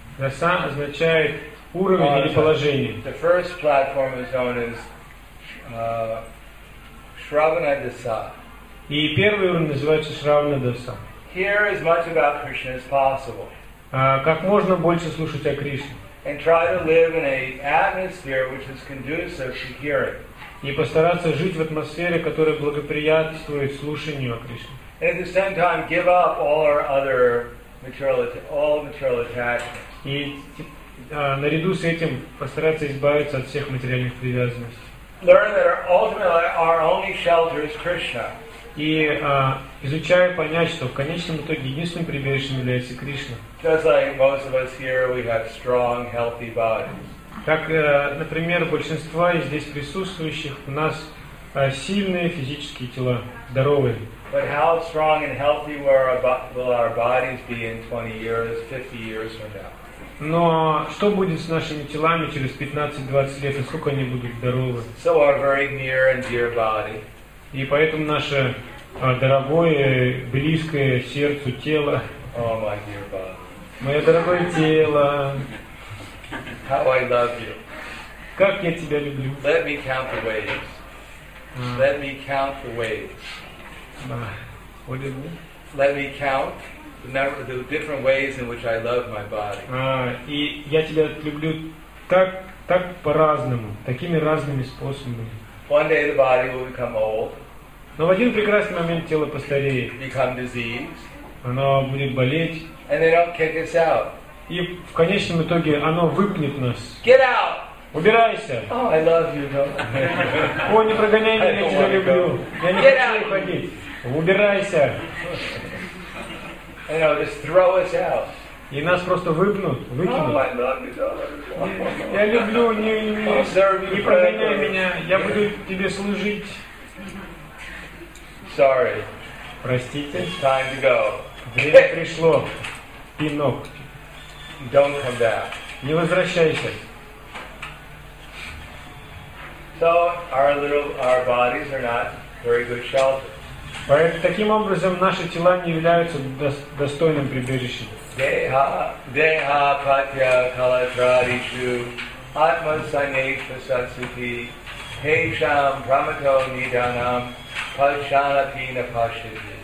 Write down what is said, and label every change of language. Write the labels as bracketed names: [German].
[Russian] Dasa означает уровень или положение. [English] The first platform is known as shravana dasa. [Russian] И первый уровень называется shravana dasa. [English] Hear as much about Krishna as possible. [Russian] Как можно больше слушать о Кришне. [English] And try to live in an atmosphere which is conducive to hearing. [Russian] И постараться жить в атмосфере, которая благоприятствует слушанию о Кришне. [English] And at the same time, give up all our other material attachments. [Russian] И наряду с этим постараться избавиться от всех материальных привязанностей. [English] learn that ultimately our only shelter is Krishna. [Russian] И изучая понять, что в конечном итоге единственным прибежищем является Кришна. [English] Just like most of us here, we have strong, healthy bodies. [Russian] Как, например, большинство из здесь присутствующих, у нас сильные физические тела, здоровые. [English] But how strong and healthy will our bodies be in 20 years, 50 years from now? [Russian] Но что будет с нашими телами через 15-20 лет, и сколько они будут здоровы? [English] So our very near and dear body. [Russian] И поэтому наше дорогое, близкое сердцу тело. [English] Oh, my dear body. [Russian] Мое дорогое тело. [English] How I love you. [Russian] Как я тебя люблю. [English] Let me count the waves. Let me count the waves. What did you? Let me count the different ways in which I love my body. [Russian] И я тебя люблю так, так по-разному, такими разными способами. [English] One day the body will become old. [Russian] Но в один прекрасный момент тело постареет. [English] Become diseased. [Russian] Оно будет болеть. [English] And they don't kick us out. [Russian] И в конечном итоге оно выпнет нас. [English] Get out! [Russian] Убирайся! [English] Oh, I love you, no. [Russian] О, не прогоняй меня, я тебя люблю. Я не [English] Get [Russian] хочу уходить. Убирайся! [English] You know, just throw us out. [Russian] И нас просто выпнут, выкинут. [English] Oh, I love you, no. [Russian] Я люблю, не прогоняй меня, я буду тебе служить. [English] Sorry. [Russian] Простите. [English] It's time to go. [Russian] Время пришло. Пинок. [English] Don't come back. [Russian] Не возвращайся. [English] So our bodies are not very good shelters. [Russian] Таким образом, наши тела не являются достойным прибежищем. [Sanskrit] Deha, deha, patya, kalatradishu, atma sanyeva satsuti, hesham, pramato nidanam, pashanati napashiti.